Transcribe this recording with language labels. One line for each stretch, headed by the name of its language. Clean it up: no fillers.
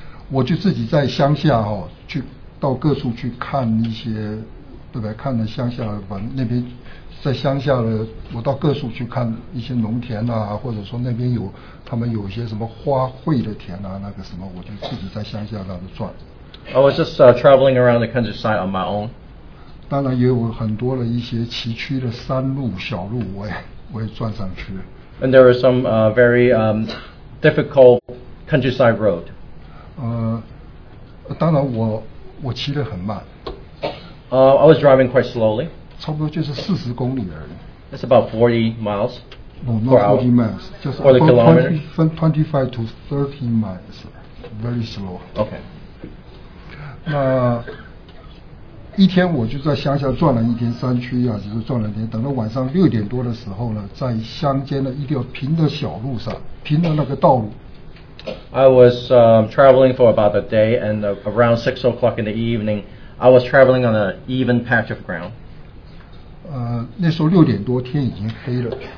Chinese: 我就自己在乡下哦，去到各处去看一些，对吧？看了乡下，反正那边在乡下的，我到各处去看一些农田啊，或者说那边有他们有一些什么花卉的田啊，那个什么，我就自己在乡下那里转。
English: I was just traveling around the countryside on my own.
Chinese: 当然也有很多的一些崎岖的山路、小路，我也转上去。
English: And there were some very difficult countryside road.
Chinese: 当然我骑得很慢。
English: I was driving quite slowly.
Chinese: 差不多就是四十公里而已。
English: That's about 40 miles. No, not 40 miles. Just for the kilometers. From 25 to 30 miles. Very slow. Okay.
Chinese: 那一天我就在乡下转了一天，山区啊，就是转了一天。等到晚上六点多的时候呢，在乡间的一条平的小路上，平的那个道路。 I was traveling for about a day, and around 6 o'clock in the evening, I was traveling on an even patch of ground. 那时候六点多，天已经黑了。